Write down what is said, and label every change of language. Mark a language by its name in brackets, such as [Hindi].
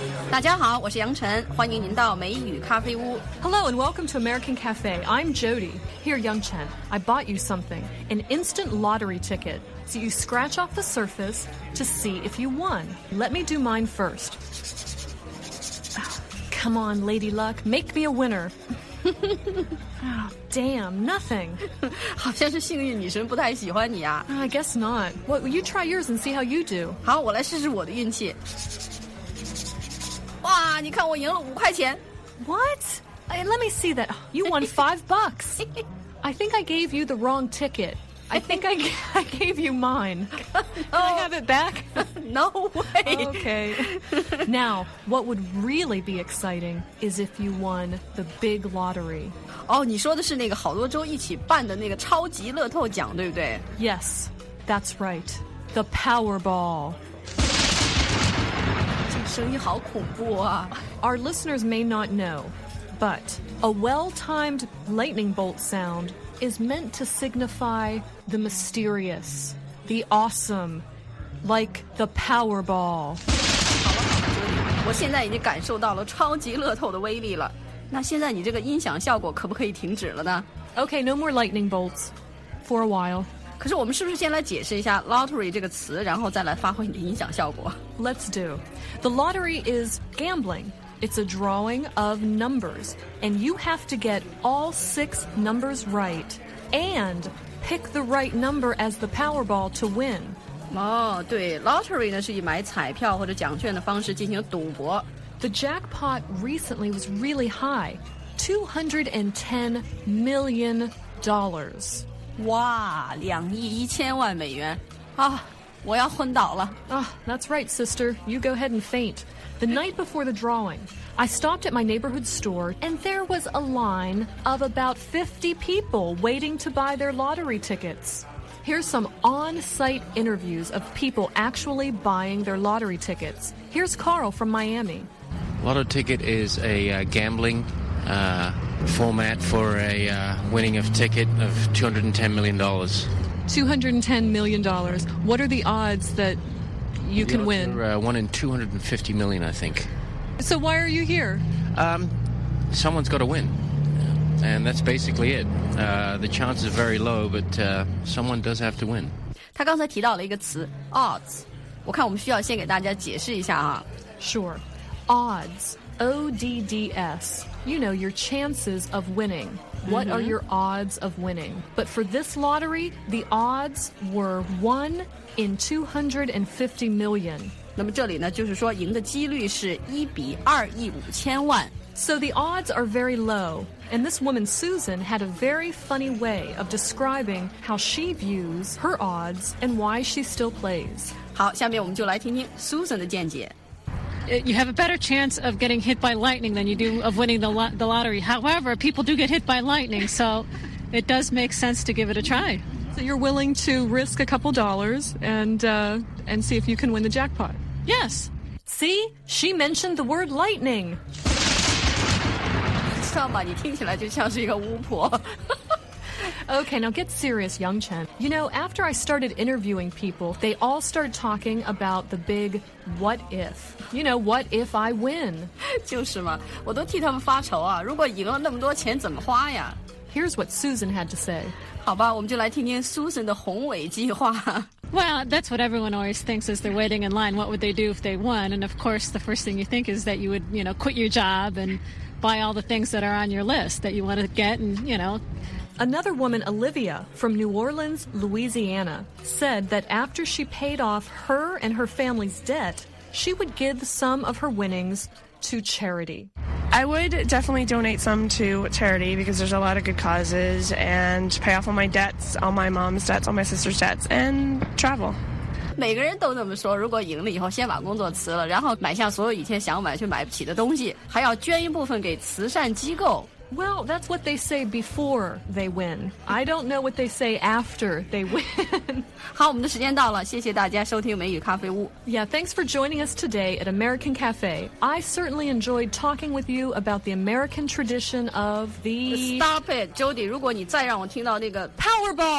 [Chinese] 大家好，我是杨晨，欢迎您到美语咖啡屋。 [English] Hello and welcome to American Cafe. I'm Jody. Here, Yang Chen. I bought you something, an instant lottery ticket. So you scratch off the surface to see if you won. Let me do mine first. Come on, Lady Luck, make me a winner. Damn, nothing. [Chinese] 好像是幸运女神不太喜欢你啊。 [English] I guess not. Well, you try yours and see how you do. [Chinese] 好，我来试试我的运气。哇，你看我赢了5块钱。 [English] What? Hey, let me see that. You won $5. I think I gave you the wrong ticket. I think I gave you mine. Can I have it back? No way. Okay. Now, what would really be exciting is if you won the big lottery. [Chinese] 哦，你说的是那个好多州一起办的那个超级乐透奖，对不对？ [English] Yes, that's right. The Powerball. [Chinese] 声音好恐怖啊。 [English] Our listeners may not know, but a well-timed lightning bolt sound is meant to signify the mysterious, the awesome, like the Powerball. [Chinese] 我现在已经感受到了超级乐透的威力了。那现在你这个音响效果可不可以停止了呢？ [English] Okay, no more lightning bolts for a while. [Chinese] 可是我们是不是先来解释一下 lottery 这个词，然后再来发挥你的音响效果？ [English] Let's do. The lottery is gambling. It's a drawing of numbers, and you have to get all 6 numbers right and pick the right number as the Powerball to win. [Chinese] 哦，对， lottery 呢是以买彩票或者奖券的方式进行赌博。 [English] The jackpot recently was really high, $210 million. [Chinese] 哇，2亿1000万美元啊，我要昏倒了。 [English] Ah, that's right, sister. You go ahead and faint. The night before the drawing, I stopped at my neighborhood store, and there was a line of about 50 people waiting to buy their lottery tickets. Here's some on-site interviews of people actually buying their lottery tickets. Here's Carl from Miami. Lottery ticket is a gambling format for a winning of ticket of $210 million. $210 million. What are the odds that you can win? One in 250 million, I think. So why are you here? Someone's got to win, and that's basically it. The chance is very low, but someone does have to win. [Chinese] 他刚才提到了一个词 odds. 我看我们需要先给大家解释一下啊。 [English] Sure, odds. O-D-D-S. You know, your chances of winning. What are your odds of winning? But for this lottery, the odds were 1 in 250 million. [Chinese] 那么这里呢，就是说赢的几率是1比2亿5千万。 [English] So the odds are very low. And this woman, Susan, had a very funny way of describing how she views her odds and why she still plays. [Chinese] 好，下面我们就来听听 Susan 的见解。 [English] You have a better chance of getting hit by lightning than you do of winning the lottery. However, people do get hit by lightning, so it does make sense to give it a try. So you're willing to risk a couple dollars and see if you can win the jackpot? Yes. See? She mentioned the word lightning. [Chinese] 知道吗？你听起来就像是一个巫婆。 [English] Okay, now get serious, Yang Chen. You know, after I started interviewing people, they all started talking about the big what if. You know, what if I win? [Chinese] 就是嘛，我都替他们发愁啊，如果赢了那么多钱怎么花呀？ [English] Here's what Susan had to say. [Chinese] 好吧，我们就来听听 Susan 的宏伟计划。 [English] Well, that's what everyone always thinks as they're waiting in line. What would they do if they won? And of course, the first thing you think is that you would, you know, quit your job and buy all the things that are on your list that you want to get and, you know... Another woman, Olivia, from New Orleans, Louisiana, said that after she paid off her and her family's debt, she would give some of her winnings to charity. I would definitely donate some to charity because there's a lot of good causes and pay off all my debts, all my mom's debts, all my sister's debts, and travel. [Chinese] 每个人都这么说，如果赢了以后先把工作辞了，然后买下所有以前想买却买不起的东西，还要捐一部分给慈善机构。 [English] Well, that's what they say before they win. I don't know what they say after they win. [Chinese] 好，我们的时间到了，谢谢大家收听美语咖啡屋。 [English] Yeah, thanks for joining us today at American Cafe. I certainly enjoyed talking with you about the American tradition of the... Stop it, Jody. [Chinese] 如果你再让我听到那个 Powerball!